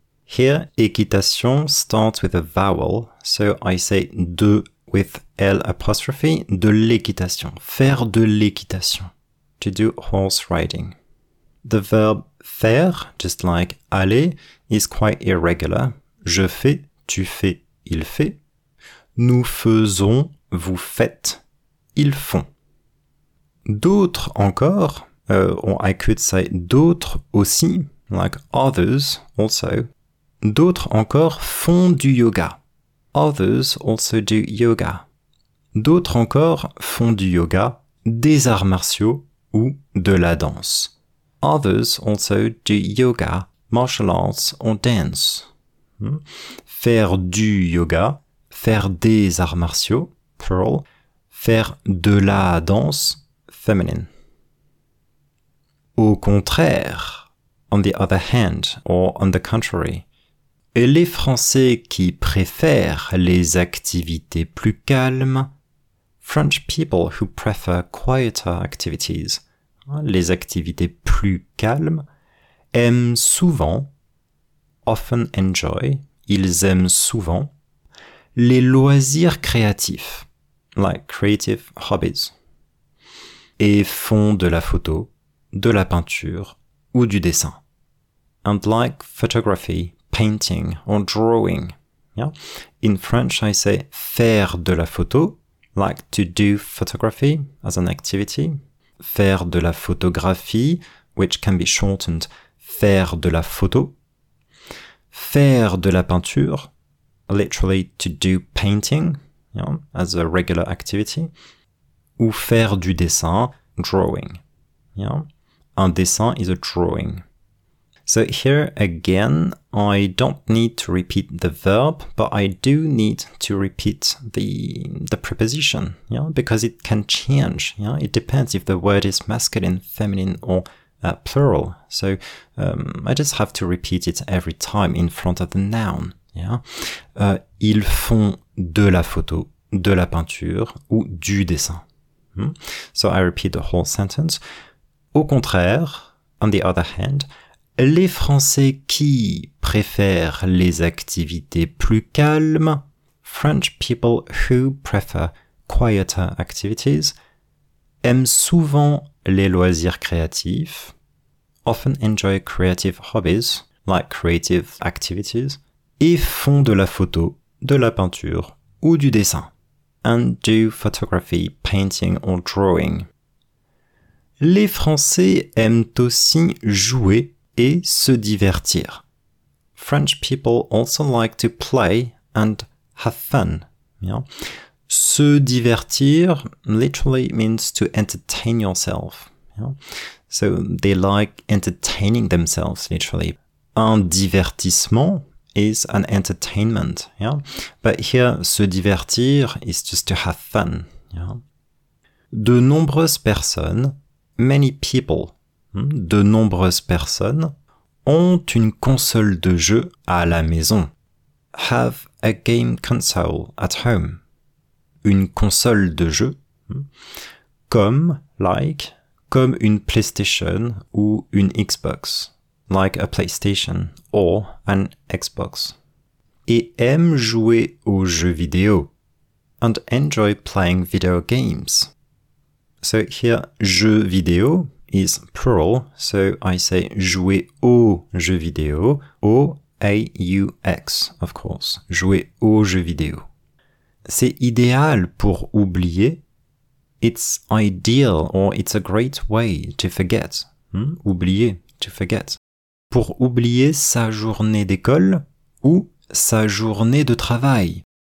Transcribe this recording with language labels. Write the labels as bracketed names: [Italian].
[English] Here, équitation starts with a vowel, so I say de with L apostrophe, [French] de l'équitation. Faire de l'équitation, [English] to do horse riding. The verb faire, just like aller, is quite irregular. [French] Je fais, tu fais, il fait. Nous faisons, vous faites, ils font. D'autres encore, [English] or I could say [French] d'autres aussi, [English] like others also. [French] D'autres encore font du yoga. [English] Others also do yoga. [French] D'autres encore font du yoga, des arts martiaux ou de la danse. [English] Others also do yoga, martial arts or dance. [French] Faire du yoga, faire des arts martiaux, plural. Faire de la danse, feminine. Au contraire, [English] on the other hand or on the contrary. [French] Et les Français qui préfèrent les activités plus calmes, [English] French people who prefer quieter activities, [French] les activités plus calmes, aiment souvent, [English] often enjoy, [French] ils aiment souvent, les loisirs créatifs, [English] like creative hobbies, [French] et font de la photo, de la peinture ou du dessin. [English] And like photography, painting or drawing. Yeah? In French, I say [French] faire de la photo, [English] like to do photography as an activity. [French] Faire de la photographie, [English] which can be shortened, [French] faire de la photo. Faire de la peinture, [English] literally to do painting, yeah, as a regular activity. [French] Ou faire du dessin, drawing. [English] Yeah? [French] Un dessin [English] is a drawing. So here again, I don't need to repeat the verb, but I do need to repeat the preposition, yeah, because it can change. Yeah, it depends if the word is masculine, feminine, or plural. So I just have to repeat it every time in front of the noun. [French] Yeah, ils font de la photo, de la peinture ou du dessin. [English] So I repeat the whole sentence. [French] Au contraire, [English] on the other hand. [French] Les Français qui préfèrent les activités plus calmes, [English] French people who prefer quieter activities, [French] aiment souvent les loisirs créatifs, [English] often enjoy creative hobbies, like creative activities, [French] et font de la photo, de la peinture ou du dessin, [English] and do photography, painting or drawing. [French] Les Français aiment aussi jouer et se divertir. [English] French people also like to play and have fun. Yeah. [French] Se divertir [English] literally means to entertain yourself. Yeah. So they like entertaining themselves literally. [French] Un divertissement [English] is an entertainment. Yeah. But here, se divertir is just to have fun. Yeah. [French] De nombreuses personnes, [English] many people, [French] de nombreuses personnes ont une console de jeu à la maison. [English] Have a game console at home. [French] Une console de jeu, comme, like, comme une PlayStation ou une Xbox, [English] like a PlayStation or an Xbox. [French] Et aime jouer aux jeux vidéo, [English] and enjoy playing video games. So here, jeu vidéo is plural, so I say [French] jouer aux jeux vidéo, [English] O-A-U-X, of course, jouer aux jeux vidéo. [French] C'est idéal pour oublier. [English] It's ideal or it's a great way to forget. Oublier, to forget. [French] Pour oublier sa journée d'école ou sa journée de travail.